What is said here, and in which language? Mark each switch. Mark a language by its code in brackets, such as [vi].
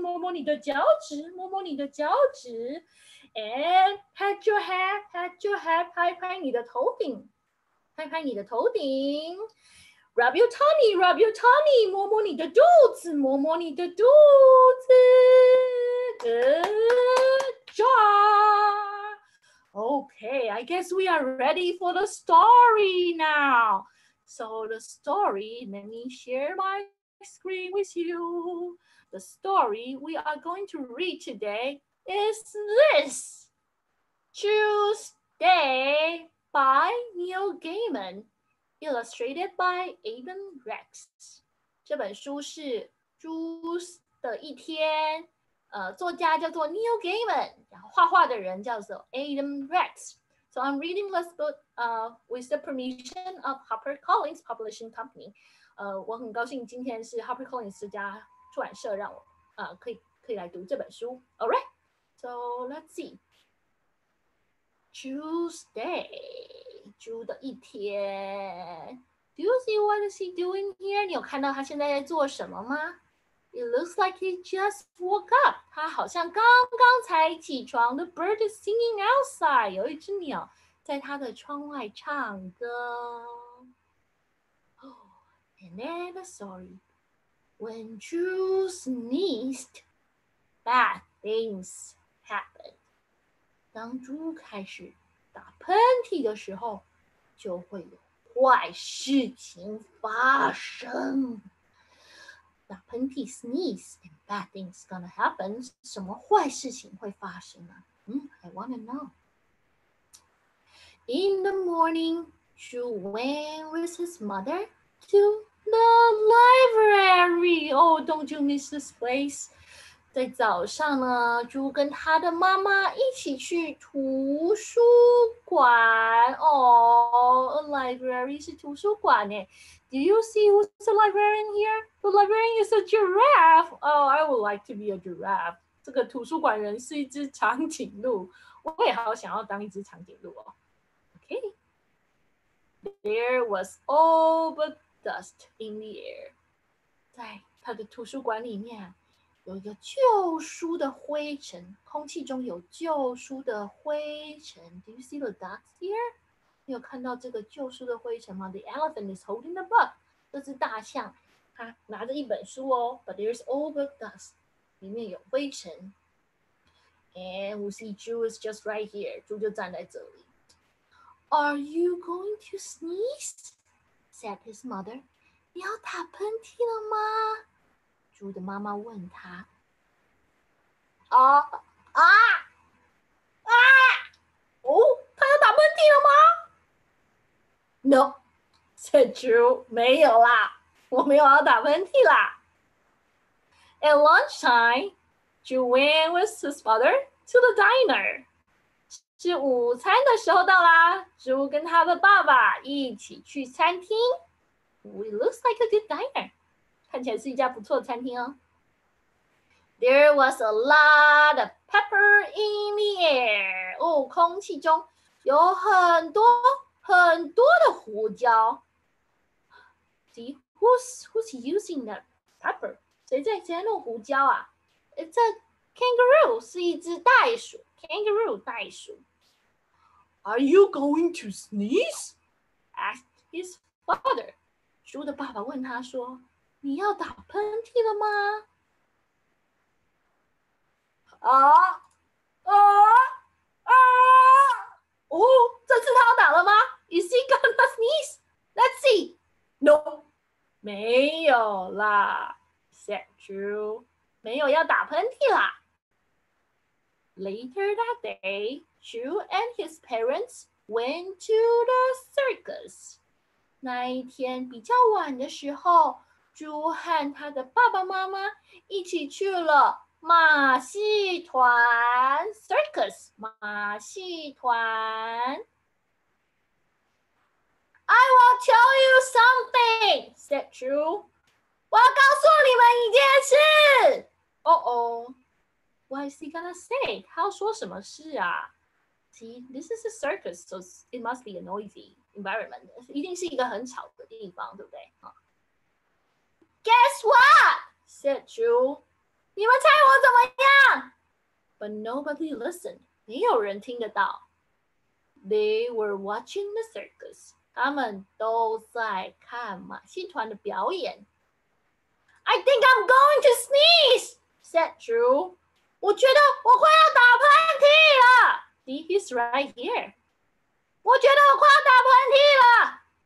[zh] 摸摸你的脚趾，摸摸你的脚趾。 [en] And pat your head, pat your head. [zh] 拍拍你的头顶，拍拍你的头顶。 [en] Rub your tummy, rub your tummy. [zh] 摸摸你的肚子，摸摸你的肚子。 [en] Good job. Okay, I guess we are ready for the story now. So the story, let me share my screen with you. The story we are going to read today is this. Tuesday by Neil Gaiman. Illustrated by Evan Rex. [zh] 这本书是朱的一天，作家叫做 Neil Gaiman， 然后画画的人叫做 Evan Rex. [en] So I'm reading this book with the permission of HarperCollins Publishing Company. [zh] 我很高兴今天是 HarperCollins 这家出版社让我可以来读这本书。 [en] All right, so let's see. Tuesday. [zh] 猪的一天。 [en] Do you see what is he doing here? [zh] 你有看到他现在在做什么吗？ [en] It looks like he just woke up. [zh] 他好像刚刚才起床。 [en] The bird is singing outside. [zh] 有一只鸟在他的窗外唱歌。 [en] Oh, and then the story. When Drew sneezed, bad things happened. [zh] 当猪开始打喷嚏的时候，就会有坏事情发生。打喷嚏 [en] sneeze and bad things gonna happen. [zh] 什么坏事情会发生呢？ [en] I wanna know. In the morning, she went with his mother to the library. Oh, don't you miss this place? [zh] 在早上呢，猪跟他的妈妈一起去图书馆。 [en] Oh, a library [zh] 是图书馆耶。 [en] Do you see who's the librarian here? The librarian is a giraffe. Oh, I would like to be a giraffe. [zh] 这个图书馆人是一只长颈鹿。我也好想要当一只长颈鹿哦。Okay. [en] There was all but dust in the air. [zh] 在他的图书馆里面有一个旧书的灰尘，空气中有旧书的灰尘。 [en] Do you see the dust here? [zh] 你有看到这个旧书的灰尘吗？ [en] The elephant is holding the book. [zh] 这只大象，它拿着一本书哦。 [en] But there's all the dust. [zh] 里面有灰尘。 [en] And we see Drew is just right here. [zh] 猪就站在这里。 [en] Are you going to sneeze? Said his mother. [zh] 你要打喷嚏了吗？猪的妈妈问他：“他要打喷嚏了吗 ？” [en] “No,” said Drew. [zh] 没有啦，我没有要打喷嚏啦。 [en] At lunchtime, Drew went with his father to the diner. [zh] 是午餐的时候到啦，猪跟他的爸爸一起去餐厅。 [en] It looks like a good diner. [zh] 看起来是一家不错的餐厅哦。 [en] There was a lot of pepper in the air. [zh] 哦，空气中有很多很多的胡椒。 [en] See, who's using that pepper? [zh] 谁在弄胡椒啊？这 kangaroo 是一只袋鼠 ，kangaroo 袋鼠。 [en] Are you going to sneeze? Asked his father. [zh] 猪的爸爸问他说：“你要打喷嚏了吗？” 啊啊啊！哦，这次他要打了吗 [en] ？Is he gonna sneeze? Let's see. No. [zh] 没有啦 ， [en] said Drew. [zh] 没有要打喷嚏啦。 [en] Later that day, Drew and his parents went to the circus. [zh] 那一天比较晚的时候 ，Drew 和他的爸爸妈妈一起去了。马戏团 circus 马戏团 [en] I will tell you something said Drew [zh] 我要告诉你们一件事 [en] What is he gonna say [zh] 他要说什么事啊 [en] See this is a circus so it must be a noisy environment [zh] 一定是一个很吵的地方对不对 [en] Guess what said Drew [zh] 你们猜我怎么样 [en] ？But nobody listened. [zh] 没有人听得到。 [en] They were watching the circus. [zh] 他们都在看马戏团的表演。 [en] I think I'm going to sneeze, said Drew. [zh] 我觉得我快要打喷嚏了。 [en] See, he's right here. [zh] 我觉得我快要打喷嚏了。